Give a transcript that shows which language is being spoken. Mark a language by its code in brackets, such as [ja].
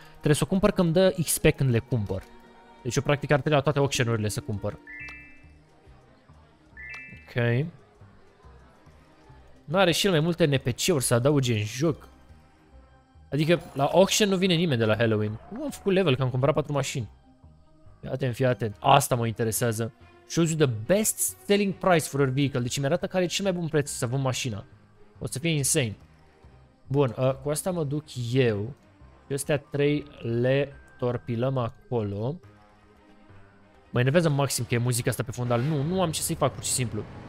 [ro] Trebuie să o cumpăr când dă XP când le cumpăr. Deci eu practic ar trebui la toate auction-urile să cumpăr. Ok. Nu are și el mai multe NPC-uri să adauge în joc. Adică la auction nu vine nimeni de la Halloween. Cum am făcut level că am cumpărat 4 mașini? Fii atent, fii atent. Asta mă interesează. [en] Shows you the best selling price for a vehicle. [ro] Deci mi-arată care e cel mai bun preț să vând mașina. O să fie insane. Bun, cu asta mă duc eu. Și astea 3 le torpilăm acolo. Mă enervează maxim că e muzica asta pe fundal. Nu, nu am ce să-i fac, pur și simplu.